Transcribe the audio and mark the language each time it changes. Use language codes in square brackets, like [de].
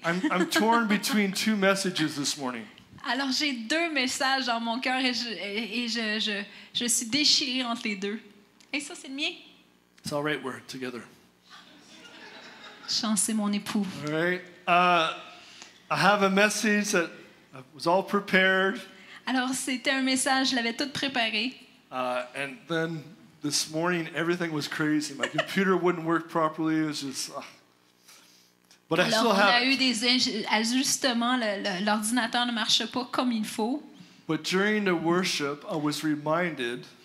[en] I'm torn between two messages this morning. [fr] Alors, j'ai deux messages dans mon cœur et je suis déchirée entre les deux. Et ça, c'est le mien. [en] It's all right, we're together. [fr] Chance, mon époux. [en] All right. I have a message that was all prepared. [fr] Alors, c'était un message, je l'avais tout préparé. [en] And then this morning, everything was crazy. My computer wouldn't work properly. It was just... [fr] But alors, [en] I still have... [fr] on a eu des ajustements. L'ordinateur ne marche pas comme il faut. [en] But during the worship, I was reminded...